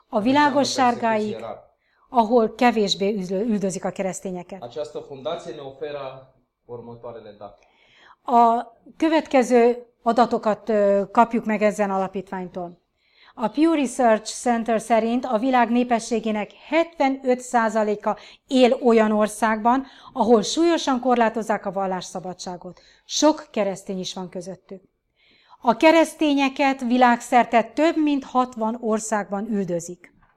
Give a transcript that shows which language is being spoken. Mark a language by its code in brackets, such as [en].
[hu] A világos sárgáig, ahol kevésbé üldözik a keresztényeket. [ro] Această fundație ne oferă următoarele date. [hu] A következő adatokat kapjuk meg ezen alapítványtól. A Pew Research Center szerint a világ népességének 75%-a él olyan országban, ahol súlyosan korlátozzák a vallásszabadságot. Sok keresztény is van közöttük. A keresztényeket világszerte több mint 60 országban üldözik.